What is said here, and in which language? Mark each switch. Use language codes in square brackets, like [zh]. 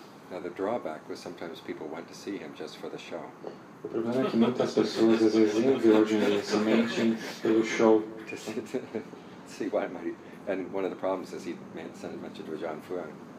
[en] Now the drawback was sometimes people went to see him just for the show. [pt] O problema é que muitas pessoas às vezes iam ver John Lee somente pelo show. [en] See why my And one of the problems is he mentioned Rajan Fuang.